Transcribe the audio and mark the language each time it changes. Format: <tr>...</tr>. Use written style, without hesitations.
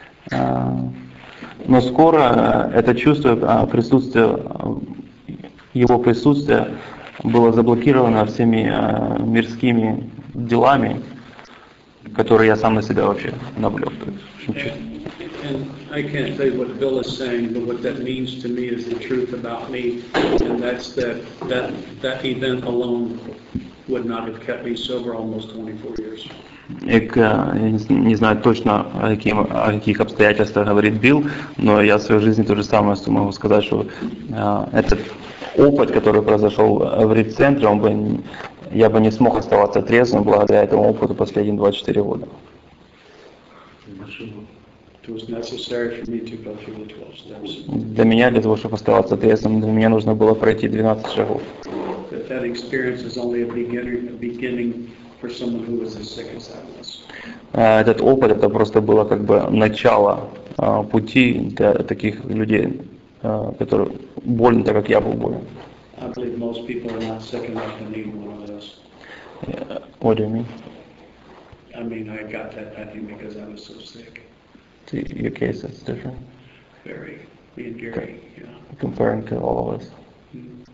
<ru>Но скоро это чувство присутствия, его присутствие было заблокировано всеми мирскими делами, которые я сам на себя вообще навлек. То есть, очень чувство.</ru> <en>And I can't say what Bill is saying, but what that means to me is the truth about me, and that's that event alone would not have kept me sober almost 24 years.</en> <ru>Не знаю точно, о каких обстоятельствах говорит Билл, но я в своей жизни то же самое могу сказать, что этот опыт, который произошел в Рид-центре, я бы не смог оставаться трезвым благодаря этому опыту последние 24 года.</ru> <en>It was necessary for me to go through the 12 steps.</en> <ru>Для меня, для того, чтобы оставаться ответственным, для меня нужно было пройти 12 шагов.</ru> <en>But that experience is only a beginning for someone who was as sick as I was.</en> <ru>Этот опыт, это просто было как бы начало пути для таких людей, которые больны, так как я был болен.</ru> <en>I believe most people are not sick enough to need one of those. What do you mean? I mean, I got that bad thing because I was so sick. Your case is different. Very. Me and Gary, yeah. Comparing to all of us. Mm-hmm.</en>